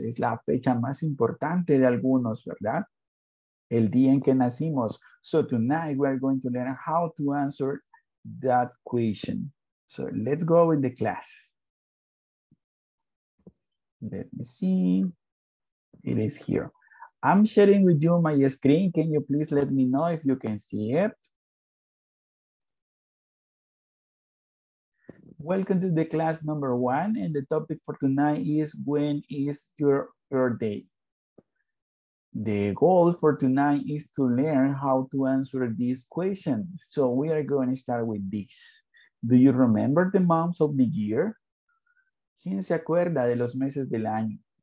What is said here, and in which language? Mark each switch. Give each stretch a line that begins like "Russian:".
Spanish: Es la fecha más importante de algunos, ¿verdad? El día en que nacimos.
English: So tonight we are going to learn how to answer that question. So let's go in the class. Let me see. It is here. I'm sharing with you my screen. Can you please let me know if you can see it? Welcome to the class number one. And the topic for tonight is, when is your birthday? The goal for tonight is to learn how to answer this question. So we are going to start with this. Do you remember the months of the year?
Spanish: ¿Quién se acuerda de los meses del año?